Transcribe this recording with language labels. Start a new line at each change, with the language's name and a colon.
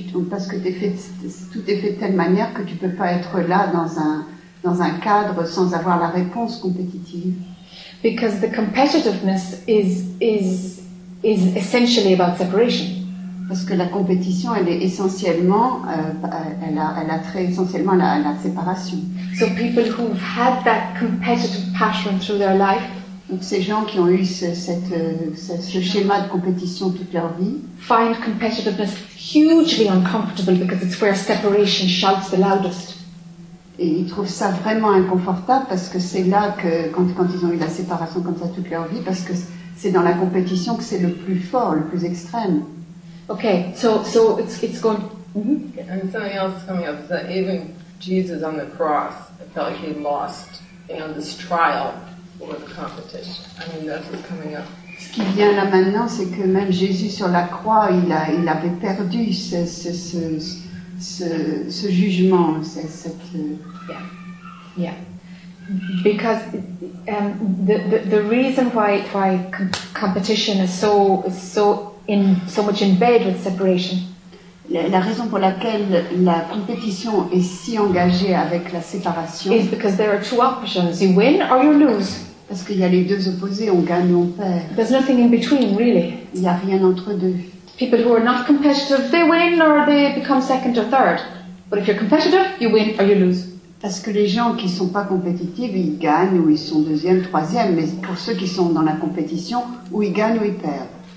French: Parce que t'es fait, tout est fait de telle manière que tu peux pas être là dans un cadre sans avoir la réponse compétitive.
English: Because the competitiveness is essentially about separation.
French: Parce que la compétition, elle est essentiellement, elle a trait essentiellement à la séparation.
English: So people who've had that competitive passion through their life.
French: Donc ces gens qui ont eu ce schéma de compétition toute leur vie.
English: Find competitiveness hugely uncomfortable because it's where separation shouts the loudest.
French: Et ils trouvent ça vraiment inconfortable parce que c'est là que quand ils ont eu la séparation comme ça toute leur vie, parce que c'est dans la compétition que c'est le plus fort, le plus extrême.
English: Okay, so it's going. Mm-hmm. And something else is coming up is that even Jesus on the cross, it felt like he lost, you know, this trial for the competition. I mean, that's what's coming up.
French: Ce qui vient là maintenant, c'est que même Jésus sur la croix, il avait perdu ce jugement, cette.
English: Yeah. Yeah. Because the reason why competition is so. In so much in bed with separation.
French: La raison pour laquelle la compétition est si engagée avec la séparation.
English: Is because there are two options: you win or you lose.
French: Parce qu'il y a les deux opposés, on gagne ou on perd.
English: There's nothing in between, really.
French: Il n'y a rien entre deux.
English: People who are not competitive, they win or they become second or third. But if you're competitive, you win or you lose.
French: Parce que les gens qui ne sont pas compétitifs, ils gagnent ou ils sont deuxième, troisième. Mais pour ceux qui sont dans la compétition, ou ils gagnent ou ils perdent.